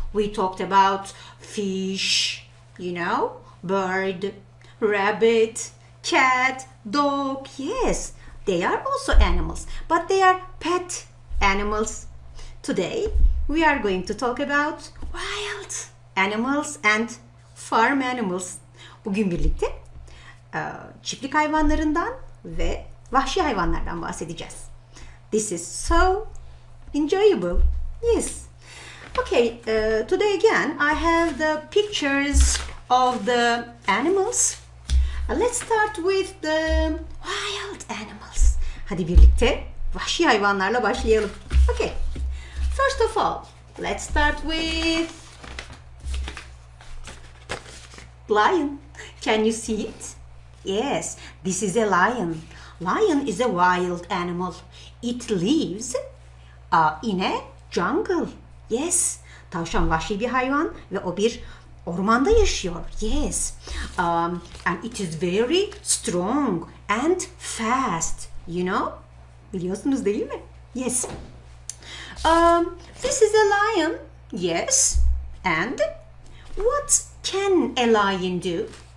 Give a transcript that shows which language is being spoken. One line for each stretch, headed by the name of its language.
English: We talked about fish, you know, bird, rabbit, cat, dog. Yes, they are also animals, but they are pet animals. Today, we are going to talk about wild animals and farm animals.
Turkish: Bugün birlikte çiftlik hayvanlarından ve vahşi hayvanlardan bahsedeceğiz.
English: This is so enjoyable. Yes. Okay, today again, I have the pictures of the animals. Let's start with the wild animals.
Turkish: Hadi birlikte vahşi hayvanlarla başlayalım.
English: Okay, first of all, let's start with lion. Can you see it? Yes, this is a lion. Lion is a wild animal. It lives in a jungle.
Turkish: Yes, tavşan vahşi bir hayvan ve o bir ormanda yaşıyor.
English: Yes, and it is very strong and fast, you know?
Turkish: Biliyorsunuz değil mi?
English: Yes. This is a lion. Yes, and what can a lion do?